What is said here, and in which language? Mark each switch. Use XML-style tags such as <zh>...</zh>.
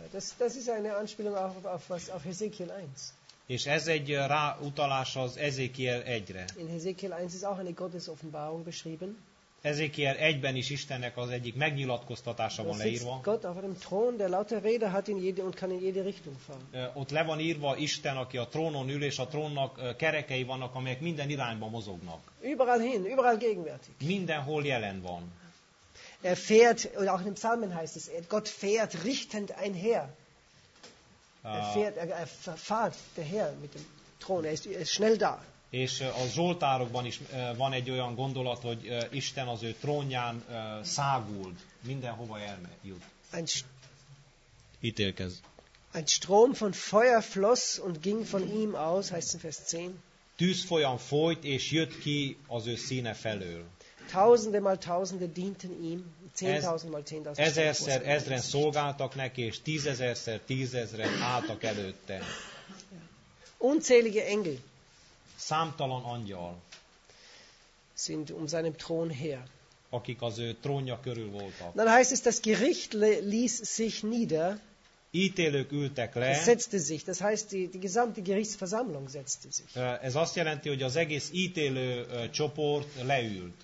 <de>Das ist eine Anspielung auf Hezekiel 1.</de> <hu>És ez egy ráutalás az Ezekiel 1-re.</hu> <de>In Hezekiel 1 ist auch eine Gottesoffenbarung beschrieben.</de> <hu>Ezekiel 1-ben is Istennek az egyik megnyilatkoztatása van leírva.</hu> <de>Gott auf einem Thron, der lauter Räder hat in jede und kann in jede Richtung fahren.</de> <hu>Ott le van írva Isten, aki a trónon ül, és a trónnak kerekei vannak, amelyek minden irányba mozognak.</hu> <de>Überall hin, überall gegenwärtig.</de> <hu>Mindenhol jelen van.</hu> <de>Er fährt, oder auch in den Psalmen heißt es, Gott fährt richtend einher. Er fährt der Herr mit dem Thron, er ist schnell da.</de> <hu>És a Zsoltárokban is van egy olyan gondolat, hogy Isten az ő trónján száguld, mindenhova eljut. Ítélkez.</hu> <de>Ein Strom von Feuer floss und ging von ihm aus, heißt in Vers 10.</de> <hu>Tűzfolyam folyt, és jött ki az ő színe felől.</hu> <de>Tausende mal tausende dienten ihm, 10.000 mal 10.000.</de> <hu>Ezerszer ezren szolgáltak neki, és tízezerszer tízezren álltak előtte.</hu> <de>Unzählige Engel.</de> <hu>Számtalan angyal.</hu> <de>Sind um seinem Thron her.</de> <hu>Akik az ő trónja körül voltak.</hu> <de>Dann heißt es, das Gericht ließ sich nieder.</de> <hu>Ítélők ültek le.</hu> <de>Setzte sich, das heißt die gesamte Gerichtsversammlung setzte sich.</de> <hu>Ez azt jelenti, hogy az egész ítélő csoport leült.</hu>